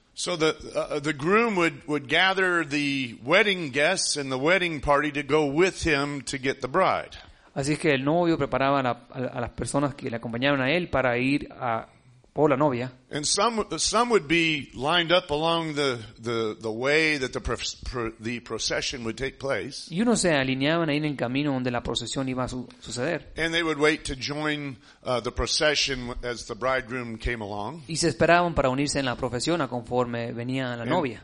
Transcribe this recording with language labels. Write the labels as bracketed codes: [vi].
[en] So the groom would gather the wedding guests and the wedding party to go with him to get the bride. [es] Así es que el novio preparaba a las personas que le acompañaban a él para ir a por la novia. [en] And some would be lined up along the way that the procession would take place. [es] Y unos se alineaban ahí en el camino donde la procesión iba a suceder. [en] And they would wait to join the procession as the bridegroom came along. [es] Y se esperaban para unirse en la procesión a conforme venía la novia.